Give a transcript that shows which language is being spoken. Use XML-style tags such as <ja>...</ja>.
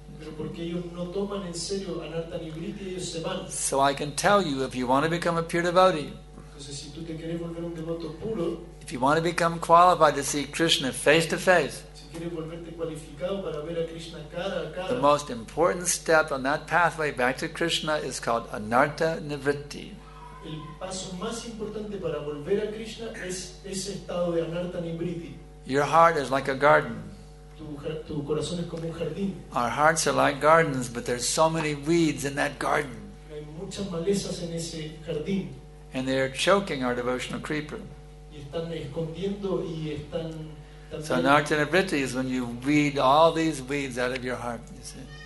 <es>Pero porque ellos no toman en serio anartha nivritti, ellos se van.</es> <en>So I can tell you, if you want to become a pure devotee.</en> <es>Entonces, si tú te quieres volver un devoto puro.</es> <en>If you want to become qualified to see Krishna face to face, the most important step on that pathway back to Krishna is called anartha nivritti.</en> <es>El paso más importante para volver a Krishna es ese estado de anartha nivritti.</es> <en>Your heart is like a garden.</en> <es>Tu corazón es como un jardín.</es> <en>Our hearts are like gardens, but there's so many weeds in that garden.</en> <es>Hay muchas malezas en ese jardín.</es> <en>And they are choking our devotional creeper. So anartha nivritti is when you weed all these weeds out of your heart, you see.</en>